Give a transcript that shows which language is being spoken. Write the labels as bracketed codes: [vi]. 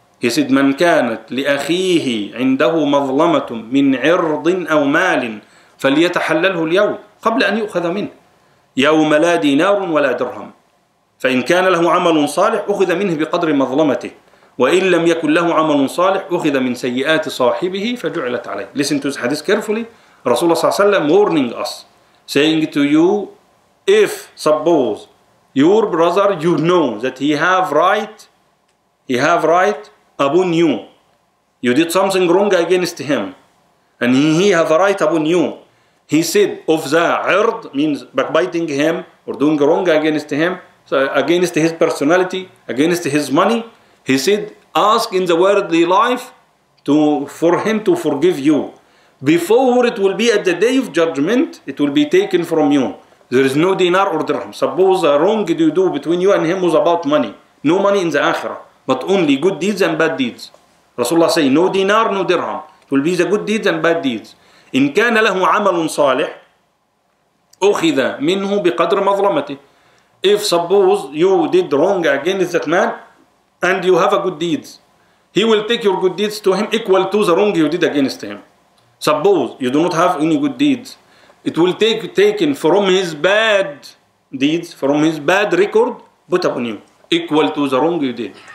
[en] He said, [ar] من كانت لأخيه عنده مظلمة من عرض أو مال فليتحلله اليوم قبل أن يؤخذ منه. يوم لا دينار ولا درهم. فإن كان له عمل صالح أخذ منه بقدر مظلمته. وإن لم يكن له عمل صالح أخذ من سيئات صاحبه فجعلت عليه. [en] Listen to this hadith carefully. Rasulullah [ar] صلى الله عليه وسلم [en] warning us, saying to you, if suppose your brother, you know that he have right upon you. You did something wrong against him. And he have a right upon you. He said, of the ird, means backbiting him or doing wrong against him, so against his personality, against his money. He said, ask in the worldly life for him to forgive you. Before it will be at the day of judgment, it will be taken from you. There is no dinar or dirham. Suppose a wrong you do between you and him was about money. No money in the akhirah, but only good deeds and bad deeds. Rasulullah say, no dinar, no dirham. It will be the good deeds and bad deeds. [ar] إن كان له عمل صالح أخذ منه بقدر مظلمته. [en] If suppose you did wrong against that man and you have a good deeds, he will take your good deeds to him equal to the wrong you did against him. Suppose you do not have any good deeds, it will taken from his bad deeds, from his bad record, put upon you equal to the wrong you did.